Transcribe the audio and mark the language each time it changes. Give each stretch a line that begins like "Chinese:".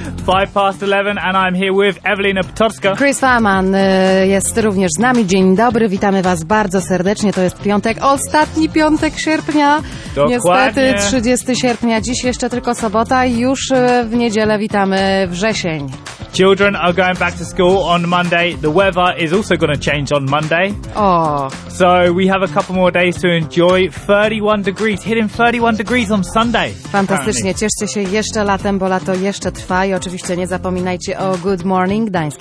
English: 5 past 11 and I'm here with Evelina Potocka.
Polish: Chris Farman jest również z nami. Dzień dobry, witamy Was bardzo serdecznie. To jest piątek, ostatni piątek sierpnia. Dokładnie. Niestety 30 sierpnia, dziś jeszcze tylko sobota i już w niedzielę witamy wrzesień.
English: Children are going back to school on Monday. The weather is also going to change on Monday. Oh. So we have a couple more days to enjoy 31 degrees, hitting 31 degrees on Sunday.
Polish: Fantastycznie. Apparently. Cieszcie się jeszcze latem, bo lato jeszcze trwa i oczywiście nie zapominajcie o Good Morning Gdańsk.